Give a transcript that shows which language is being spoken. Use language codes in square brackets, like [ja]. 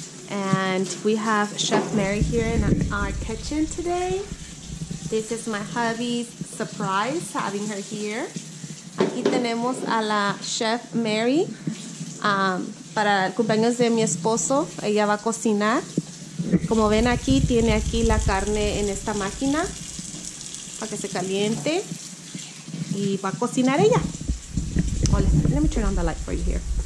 [en] And we have Chef Mary here in our kitchen today. This is my hubby's surprise, having her here. [es] Aquí tenemos a la Chef Mary. Para el cumpleaños de mi esposo, ella va a cocinar. Como ven aquí, tiene aquí la carne en esta máquina para que se caliente. Y va a cocinar ella. [en] Hola, let me turn on the light for you here.